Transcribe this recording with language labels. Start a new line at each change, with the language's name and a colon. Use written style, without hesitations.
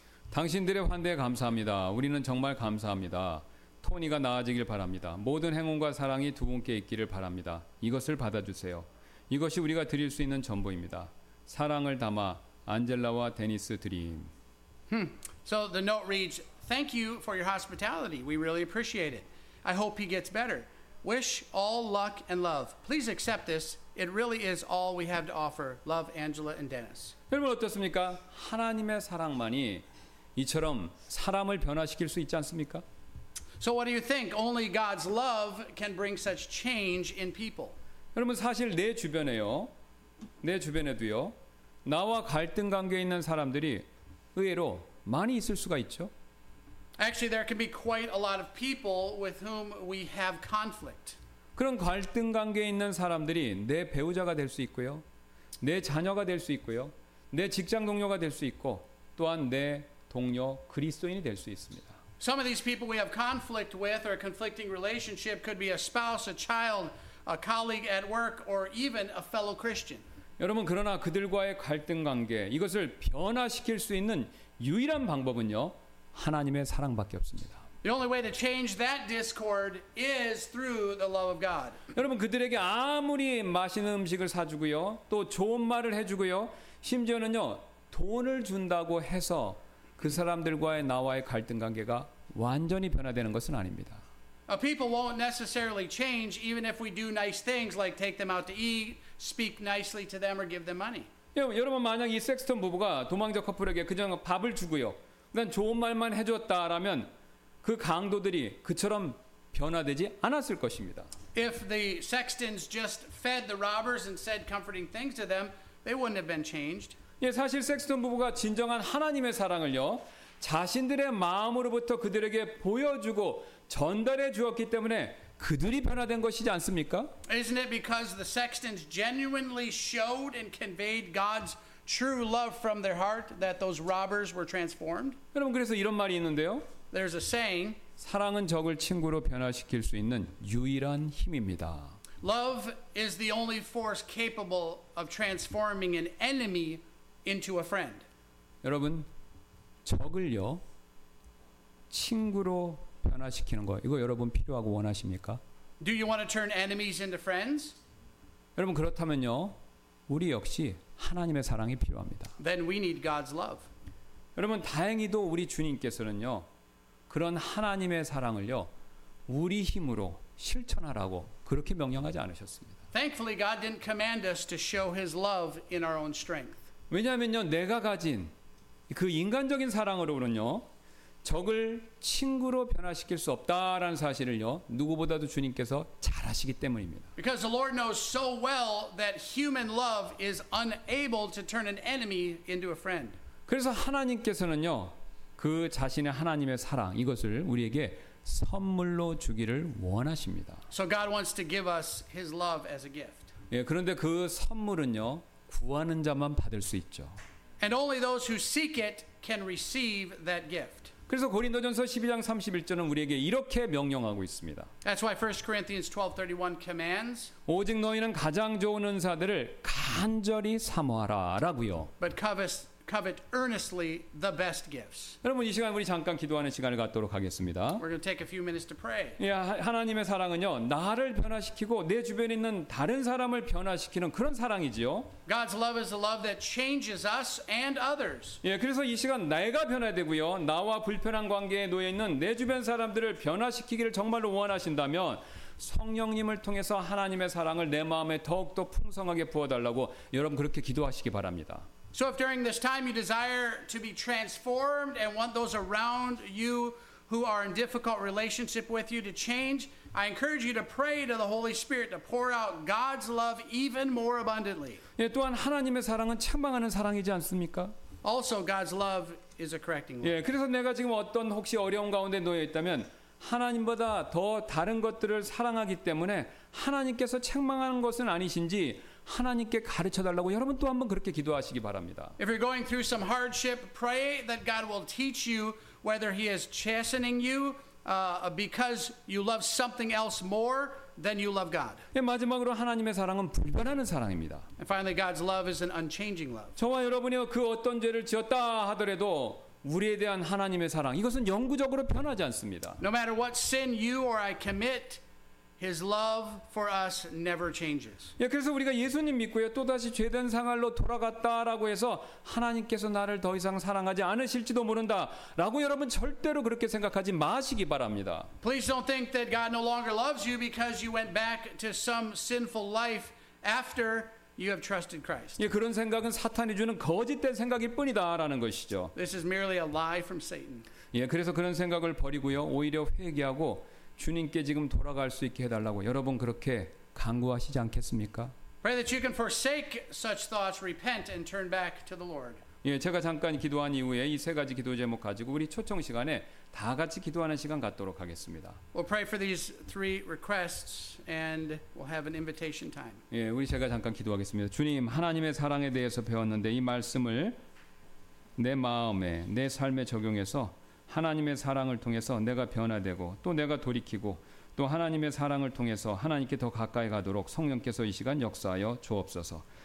Korean: 당신들의 환대에 감사합니다. 우리는 정말 감사합니다. 토니가 나아지길 바랍니다. 모든 행운과 사랑이 두 분께 있기를 바랍니다. 이것을 받아주세요. 이것이 우리가 드릴 수 있는 전부입니다. 사랑을 담아 안젤라와 데니스 드림.
English: So the note reads, "Thank you for your hospitality. We really appreciate it. I hope he gets better. Wish all luck and love. Please accept this. It really is all we have to offer. Love, Angela and Dennis."
Korean: 여러분 어떻습니까? 하나님의 사랑만이 이처럼 사람을 변화시킬 수 있지 않습니까?
English: So what do you think? Only God's love can bring such change in people.
Korean: 여러분 사실 내 주변에요. 내 주변에도요. 나와 갈등 관계에 있는 사람들이 의외로 많이 있을 수가 있죠.
English: Actually, there can be quite a lot of people with whom we have conflict.
Korean: 그런 갈등 관계에 있는 사람들이 내 배우자가 될 수 있고요. 내 자녀가 될 수 있고요. 내 직장 동료가 될 수 있고 또한 내 동료 그리스도인이 될 수 있습니다.
English: Some of these people we have conflict with or a conflicting relationship could be a spouse, a child, a colleague at work, or even a fellow Christian.
Korean: 여러분 그러나 그들과의 갈등 관계 이것을 변화시킬 수 있는 유일한 방법은요 하나님의 사랑밖에 없습니다.
English: The only way to change that discord is through the love of God.
Korean: 여러분 그들에게 아무리 맛있는 음식을 사주고요 또 좋은 말을 해주고요 심지어는요 돈을 준다고 해서 그 사람들과의 나와의 갈등 관계가 완전히 변화되는 것은 아닙니다.
English: People won't necessarily change even if we do nice things like take them out to eat, speak nicely to them, or give them money.
Korean: 여러분 만약 이 섹스턴 부부가 도망자 커플에게 그냥 밥을 주고요, 그냥 좋은 말만 해줬다라면 그 강도들이 그처럼 변화되지 않았을 것입니다.
English: If the Sextons just fed the robbers and said comforting things to them, they wouldn't have been changed.
Korean: 예, 사실 섹스턴 부부가 진정한 하나님의 사랑을요 자신들의 마음으로부터 그들에게 보여주고 전달해 주었기 때문에 그들이 변화된 것이지 않습니까?
English: Isn't it because the Sextons genuinely showed and conveyed God's true love from their heart that those robbers were transformed?
Korean: 여러분 그래서 이런 말이 있는데요.
English: There's a saying.
Korean: 사랑은 적을 친구로 변화시킬 수 있는 유일한 힘입니다.
English: Love is the only force capable of transforming an enemy into a friend.
Korean: 여러분 적을요 친구로 변화시키는 거 이거 여러분 필요하고 원하십니까?
English: Do you want to turn enemies into friends?
Korean: 여러분 그렇다면요 우리 역시 하나님의 사랑이 필요합니다.
English: Then we need God's love.
Korean: 여러분 다행히도 우리 주님께서는요 그런 하나님의 사랑을요 우리 힘으로 실천하라고 그렇게 명령하지 않으셨습니다.
English: Thankfully, God didn't command us to show His love in our own strength.
Korean: 왜냐하면요 내가 가진 그 인간적인 사랑으로는요 적을 친구로 변화시킬 수 없다라는 사실을요 누구보다도 주님께서 잘 아시기 때문입니다.
English: Because the Lord knows so well that human love is unable to turn an enemy into a friend.
Korean: 그래서 하나님께서는요 그 자신의 하나님의 사랑 이것을 우리에게 선물로 주기를 원하십니다.
English: So God wants to give us His love as a gift.
Korean: 예, 그런데 그 선물은요 구하는 자만 받을 수 있죠.
English: And only those who seek it can receive that gift.
Korean: 그래서 고린도전서 12장 31절은 우리에게 이렇게 명령하고 있습니다.
English: That's why 1 Corinthians 12:31 commands.
Korean: 오직 너희는 가장 좋은 은사들을 간절히 사모하라라고요.
English: But covet earnestly the best gifts.
Korean: 여러분 이 시간 우리 잠깐 기도하는 시간을 갖도록 하겠습니다.
English: We're going to take a few minutes to pray.
Korean: 예, 하나님의 사랑은요 나를 변화시키고 내 주변에 있는 다른 사람을 변화시키는 그런 사랑이지요.
English: God's love is a love that changes us and others.
Korean: 예, 그래서 이 시간 내가 변화되고요 나와 불편한 관계에 놓여 있는 내 주변 사람들을 변화시키기를 정말로 원하신다면 성령님을 통해서 하나님의 사랑을 내 마음에 더욱더 풍성하게 부어달라고 여러분 그렇게 기도하시기 바랍니다.
English: So if during this time you desire to be transformed and want those around you who are in difficult relationship with you to change, I encourage you to pray to the Holy Spirit to pour out God's love even more abundantly.
Korean: 예, 또한 하나님의 사랑은 책망하는 사랑이지 않습니까?
English: Also, God's love is a correcting love.
Korean: 예, 그래서 내가 지금 어떤 혹시 어려운 가운데 놓여 있다면 하나님보다 더 다른 것들을 사랑하기 때문에 하나님께서 책망하는 것은 아니신지 하나님께 가르쳐 달라고 여러분 또 한번 그렇게 기도하시기 바랍니다.
English: If you're going through some hardship, pray that God will teach you whether He is chastening you because you love something else more than you love God.
Korean: 예, 마지막으로 하나님의 사랑은 불변하는 사랑입니다.
English: And finally, God's love is an unchanging love.
Korean: 저와 여러분이 그 어떤 죄를 지었다 하더라도 우리에 대한 하나님의 사랑 이것은 영구적으로 변하지 않습니다.
English: No matter what sin you or I commit, His love for us never changes.
Korean: 예, 그래서 우리가 예수님 믿고요 또 다시 죄된 상할로 돌아갔다라고 해서 하나님께서 나를 더 이상 사랑하지 않으실지도 모른다라고 여러분 절대로 그렇게 생각하지 마시기 바랍니다.
English: Please don't think that God no longer loves you because you went back to some sinful life after you have trusted Christ.
Korean: 예, 그런 생각은 사탄이 주는 거짓된 생각일 뿐이다라는 것이죠.
English: This is merely a lie from Satan.
Korean: 예, 그래서 그런 생각을 버리고요 오히려 회개하고. 주님께 지금 돌아갈 수 있게 해달라고 여러분 그렇게 간구하시지 않겠습니까?
English: Pray that you can forsake such thoughts, repent, and turn back to the Lord.
Korean: 예, 제가 잠깐 기도한 이후에 이 세 가지 기도 제목 가지고 우리 초청 시간에 다 같이 기도하는 시간 갖도록 하겠습니다.
English: We'll pray for these three requests, and we'll have an invitation time.
Korean: 예, 우리 제가 잠깐 기도하겠습니다. 주님, 하나님의 사랑에 대해서 배웠는데 이 말씀을 내 마음에, 내 삶에 적용해서. 하나님의 사랑을 통해서 내가 변화되고 또 내가 돌이키고 또 하나님의 사랑을 통해서 하나님께 더 가까이 가도록 성령께서 이 시간 역사하여 주옵소서.